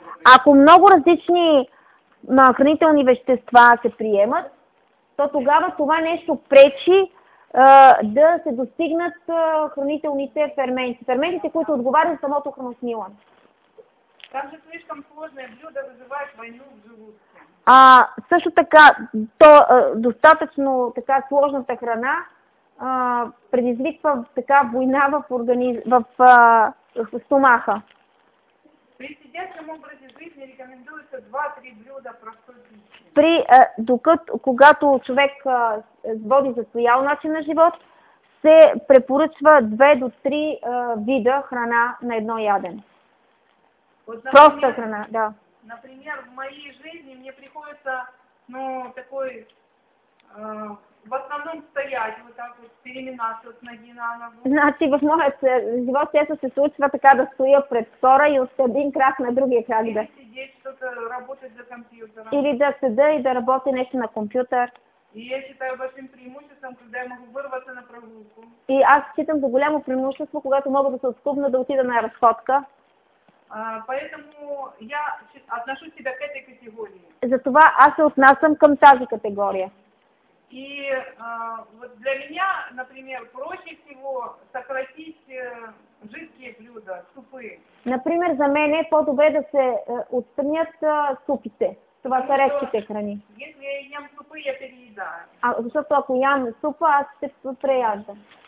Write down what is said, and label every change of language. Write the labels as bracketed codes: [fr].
[bg] Ако много различни хранителни вещества се приемат, то тогава това нещо пречи да се достигнат хранителните ферменти, които отговарят самото храносмилане. [ru] Там же слишком сложное блюдо вызывает войну в желудке. [bg] А също така, [ru] то достаточно [bg] така сложната храна предизвиква така война в стомаха. [ru] При сидящем образе жизни рекомендуется 2-3 блюда простой пищи. [bg] Когато човек води застоял начин на живот, се препоръчва 2-3 вида храна на едно ядене. Просто храна, да. [ru] Например, в моей жизни мне приходится, в основном стоять вот так вот, переминаться с ноги на ногу. Значит, в моем [bg] живот часто се случва така да стоя пред втора и от един крак на другия крак. [ru] Или сидеть что-то, работать за компьютером. [bg] Или да седа и да работи нещо на компьютер. [ru] И я считаю большим преимуществом, когда я могу вырваться на прогулку. [bg] И аз считам за голямо преимущество, когато мога да се отклубна да отида на разходка. [ru] Поэтому я отношу себя к этой категории. [bg] Затова аз се отнасям към тази категория. [ru] И вот для меня, например, проще всего сократить жидкие блюда, супы. [bg] Например, за мен е по-добре да се отстранят супите. Това са редките храни. [ru] Если я ям супы, я переедаю. [bg] А защото ако ям супа, аз се преяждам.